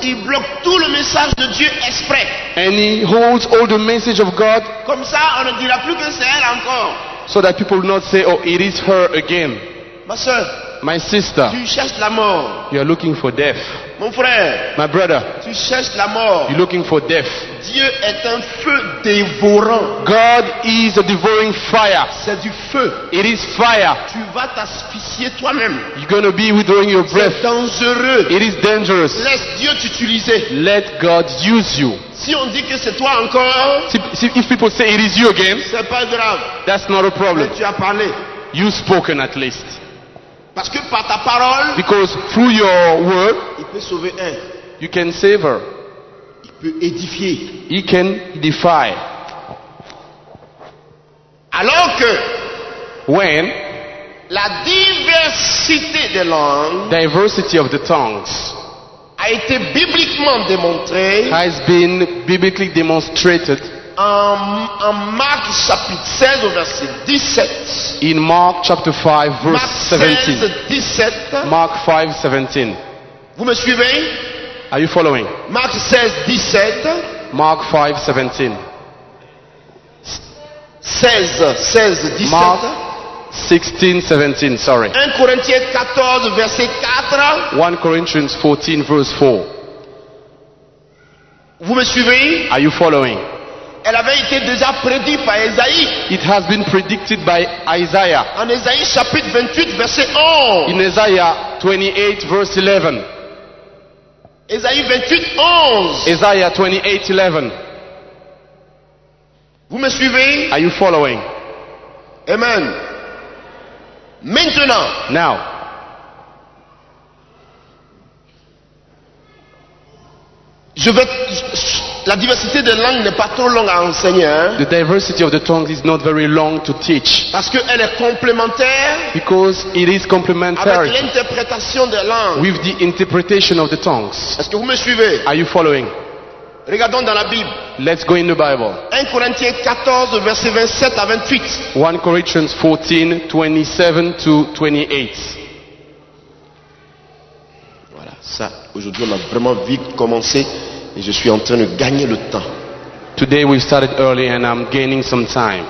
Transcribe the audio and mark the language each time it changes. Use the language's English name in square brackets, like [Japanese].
[French] Il bloque tout le message de Dieu exprès. [English] And he holds all the message of God. [French] Comme ça, on ne dira plus que c'est elle encore. [English] So that people will not say, oh, it is her again. [French] Ma soeur. [English] My sister. [French] Tu cherches la mort. [English] You are looking for death. [French] Mon frère. [English] My brother. [French] Tu cherches la mort. [English] You're looking for death. [French] Dieu est un feu dévorant. [English] God is a devouring fire. [French] C'est du feu. [English] It is fire. [French] Tu vas t'asphyxier toi-même. [English] You're going to be withdrawing your breath. [French] C'est dangereux. [English] It is dangerous. [French] Laisse Dieu t'utiliser. [English] Let God use you. [French] Si on dit que c'est toi encore. [English] See, if people say it is you again. [French] C'est pas grave. [English] That's not a problem. [French] Mais tu as parlé. [English] You've spoken at least. [French] Parce que par ta parole, [English] because through your word, [French] il peut sauver un. [English] You can save her. [French] Il peut édifier. [English] He can edify. [French] Alors que, [English] when, [French] la diversité des langues, [English] diversity of the tongues, [French] a été bibliquement démontrée, [English] has been biblically demonstrated, [French] en Marc chapitre 16 au verset 17. [English] In Mark chapter 5 verse 17. [French] Marc 16, 17. [English] Mark 5, 17. [French] Vous me suivez? [English] Are you following? [French] Marc 16, 17. [English] Mark 5, 17. [French] 16, 17. [English] Mark 16, 17, sorry. [French] 1 Corinthiens 14, verset 4. [English] 1 Corinthians 14, verse 4. [French] Vous me suivez? [English] Are you following? [French] Elle avait été déjà prédite par Isaïe. [English] It has been predicted by Isaiah. [French] En Isaïe chapitre 28 verset 11. [English] In Isaiah 28 verse 11. [French] Isaïe 28 11. [English] Isaiah 28 11. [French] Vous me suivez? [English] Are you following? [French] Amen. Maintenant. [English] Now. [French] Je vais. La diversité des langues n'est pas trop longue à enseigner. Hein? [English] The diversity of the tongues is not very long to teach. [French] Parce que elle est complémentaire. [English] Because it is complementary. [French] Avec l'interprétation des langues. [English] With the interpretation of the tongues. [French] Est-ce que vous me suivez? [English] Are you following? [French] Regardons dans la Bible. [English] Let's go in the Bible. [French] 1 Corinthiens 14 verset 27 à 28. [English] 1 Corinthians 14 27 to 28. [French] Voilà, ça aujourd'hui on a vraiment vite commencé. Et je suis en train de gagner le temps. [English] Today we started early and I'm gaining some time.